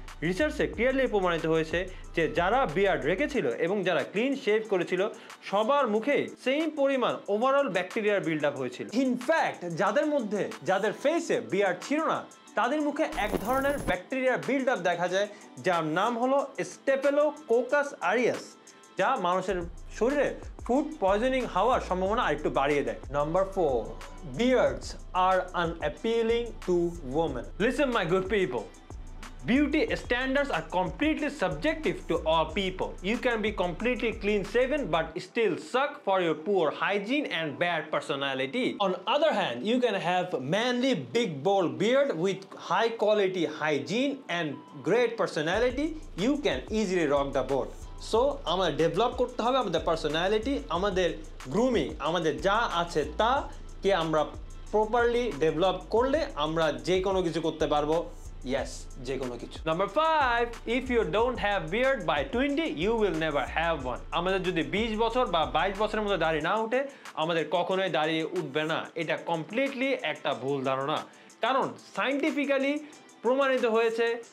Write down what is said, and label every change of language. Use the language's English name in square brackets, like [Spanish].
[Bangla] রিসার্চে clearly প্রমাণিত হয়েছে যে যারা বিয়ার্ড রেখেছিল এবং যারা ক্লিন শেভ করেছিল সবার মুখে সেম পরিমাণ ওভারঅল ব্যাকটেরিয়ার বিল্ড আপ হয়েছিল ইনফ্যাক্ট যাদের মধ্যে যাদের ফেসে বিয়ার্ড ছিল না তাদের মুখে এক ধরনের ব্যাকটেরিয়ার বিল্ড আপ দেখা যায় যার নাম হলো স্টেপেলোকোকাস আরিয়াস যা মানুষের শরীরে ফুড পয়জনিং হওয়ার সম্ভাবনা আরেকটু বাড়িয়ে দেয় [English] Number four beards আর unappealing to women listen my good people Beauty standards are completely subjective to all people. You can be completely clean shaven but still suck for your poor hygiene and bad personality. On other hand, you can have manly big bold beard with high quality hygiene and great personality. You can easily rock the boat. [Bangla] So, আমাদের develop করতে হবে আমাদের personality আমাদের grooming আমাদের যা আছে তা কে আমরা প্রপারলি ডেভেলপ করলে আমরা যে কোনো কিছু করতে পারবো Yes, যে কোনো কিছু number five [English] if you don't have beard by 20 you will never have one [Bangla] আমাদের যদি 20 বছর বা 22 বছরের মধ্যে দাঁড়িয়ে না উঠে আমাদের কখনোই দাঁড়িয়ে উঠবে না এটা কমপ্লিটলি একটা ভুল ধারণা কারণ সাইন্টিফিক্যালি প্রমাণিত হয়েছে